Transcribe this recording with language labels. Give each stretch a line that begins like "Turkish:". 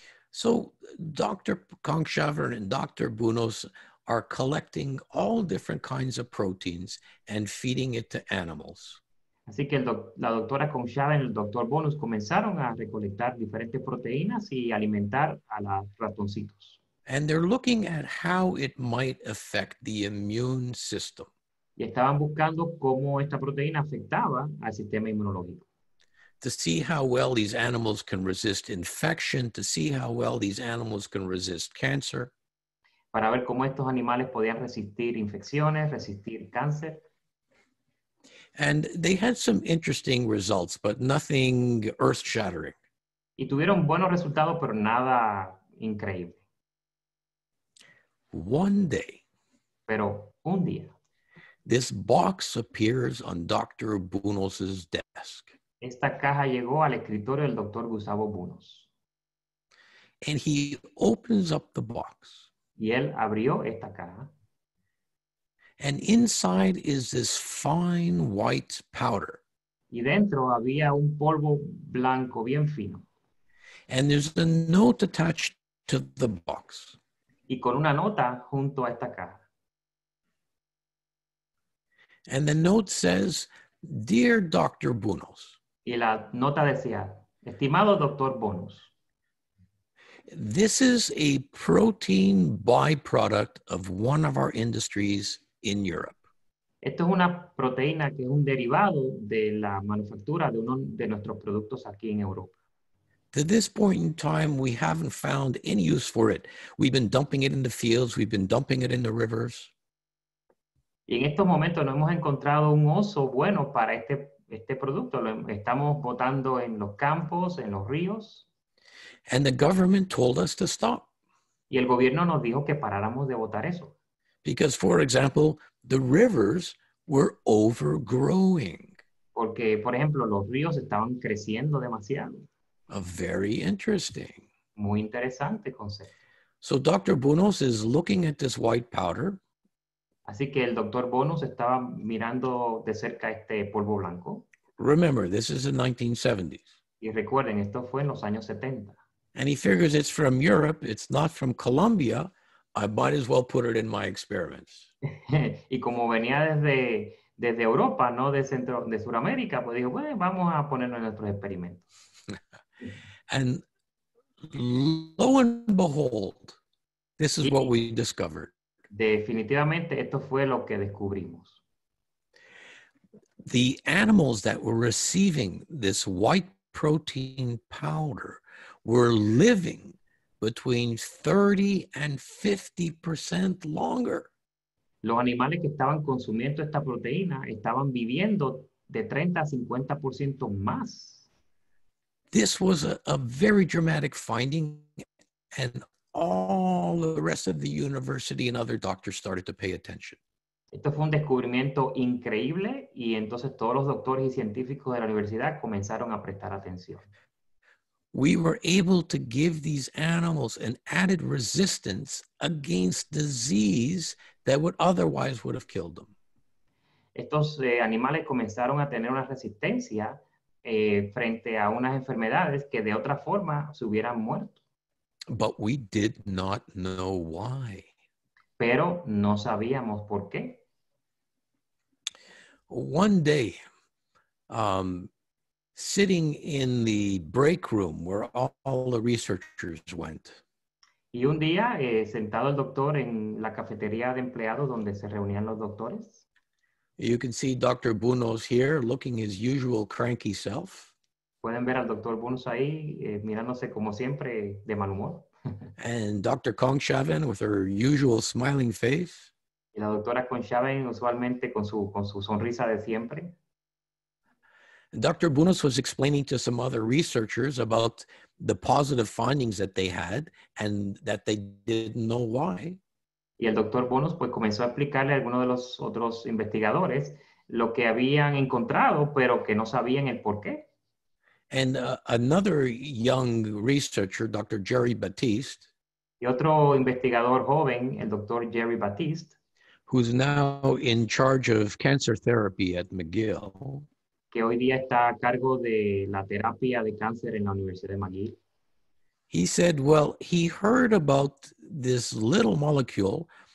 English: So Dr. Kongshavn and Dr. Bounus are collecting all different kinds of proteins and feeding it to animals.
Spanish: Así que la doctora Conchada y el doctor Bonus comenzaron a recolectar diferentes proteínas y alimentar a los ratoncitos.
English: And they're looking at how it might affect the immune system.
Spanish: Y estaban buscando cómo esta proteína afectaba al sistema inmunológico.
English: To see how well these animals can resist infection, to see how well these animals can resist cancer.
Spanish: Para ver cómo estos animales podían resistir infecciones, resistir cáncer.
English: And they had some interesting results, but nothing earth-shattering.
Spanish: Y tuvieron buenos resultados, pero nada increíble.
English: One day,
Spanish: Pero un día.
English: this box appears on Dr. Bounus's desk.
Spanish: Esta caja llegó al escritorio del doctor Gustavo Bounus.
English: And he opens up the box.
Spanish: Y él abrió esta caja.
English: And inside is this fine white powder.
Spanish: Y dentro había un polvo blanco bien fino.
English: And there's a note attached to the box.
Spanish: Y con una nota junto a esta caja.
English: And the note says, "Dear Dr. Bounus,
Spanish: Y la nota decía, estimado doctor Bonus,
English: this is a protein byproduct of one of our industries in Europe."
Spanish: esto es una proteína que es un derivado de la manufactura de uno de nuestros productos aquí en Europa.
English: To this point in time, we haven't found any use for it. We've been dumping it in the fields, we've been dumping it in the rivers.
Spanish: Y en estos momentos no hemos encontrado un uso bueno para este producto lo estamos botando en los campos, en los ríos.
English: And the government told us to stop.
Spanish: Y el gobierno nos dijo que paráramos de botar eso.
English: Because, for example, the rivers were overgrowing.
Spanish: Porque, por ejemplo, los ríos estaban creciendo demasiado.
English: A very interesting.
Spanish: Muy interesante concepto.
English: So Dr. Bounus is looking at this white powder.
Spanish: Así que el doctor Bonus estaba mirando de cerca este polvo blanco.
English: Remember, this is the 1970s.
Spanish: Y recuerden, esto fue en los años 70.
English: And he figures it's from Europe, it's not from Colombia, I might as well put it in my experiments.
Spanish: Y como venía desde Europa, no de centro de Sudamérica, pues dijo, bueno, vamos a ponerlo en nuestros experimentos.
English: And lo and behold, this is what we discovered.
Spanish: Definitivamente esto fue lo que descubrimos.
English: The animals that were receiving this white protein powder were living between 30% and 50% longer.
Spanish: Los animales que estaban consumiendo esta proteína estaban viviendo de 30% a 50% más.
English: This was a very dramatic finding, and all the rest of the university and other doctors started to pay attention.
Spanish: Esto fue un descubrimiento increíble, y entonces todos los doctores y científicos de la universidad comenzaron a prestar atención.
English: We were able to give these animals an added resistance against disease that would otherwise would have killed them.
Spanish: Estos animales comenzaron a tener una resistencia frente a unas enfermedades que de otra forma se hubieran muerto.
English: But we did not know why.
Spanish: Pero no sabíamos por qué.
English: One day, sitting in the break room where all the researchers went.
Spanish: Y un día, sentado el doctor en la cafetería de empleados donde se reunían los doctores.
English: You can see Dr. Bounus here looking his usual cranky self.
Spanish: Pueden ver al Dr. Bounus ahí mirándose como siempre de mal humor.
English: And Dr. Kongshavn with her usual smiling face.
Spanish: Y la doctora Kongshavn usualmente con su sonrisa de siempre.
English: Dr. Bounus was explaining to some other researchers about the positive findings that they had and that they didn't know why.
Spanish: Y el Dr. Bounus pues comenzó a explicarle a algunos de los otros investigadores lo que habían encontrado, pero que no sabían el por qué.
English: And another young researcher, Dr. Jerry Batiste.
Spanish: Y otro investigador joven, el Dr. Jerry Batiste.
English: Who's now in charge of cancer therapy at McGill.
Spanish: Que hoy día está a cargo de la terapia de cáncer en la Universidad de McGill.
English: He said, well, he heard about this little molecule.